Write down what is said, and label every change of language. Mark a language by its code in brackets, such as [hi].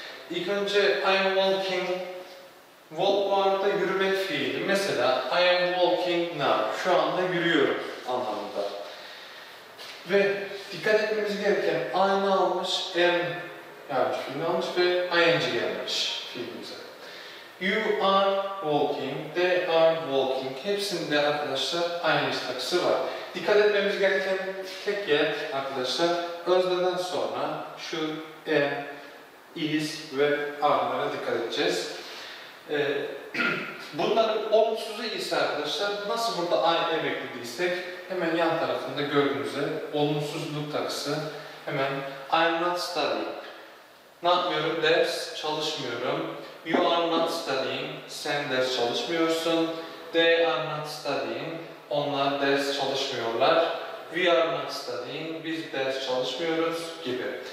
[tr] İlk önce [en] I am walking. [tr] Walk bu arada yürümek fiili. Mesela [en] I am walking now. [tr] Şu anda yürüyorum anlamında. Ve dikkat etmemiz gereken I ne almış? Am yani fiilini almış ve ing gelmiş fiilimize. [en] You are walking, they are walking. [tr] Hepsinde arkadaşlar ing takısı var. Dikkat etmemiz gereken tek yer arkadaşlar özneden sonra şu am, is ve are'lara dikkat edeceğiz. Bunların olumsuzu ise arkadaşlar, nasıl burada [en] I am [tr] eklediysek hemen yan tarafında gördüğünüz gibi olumsuzluk takısı, hemen [en] I am not studying, [tr] ne yapmıyorum, ders çalışmıyorum, [en] you are not studying, [tr] sen ders çalışmıyorsun, [en] they are not studying, [tr] onlar ders çalışmıyorlar, [en] we are not studying, [tr] biz ders çalışmıyoruz gibi.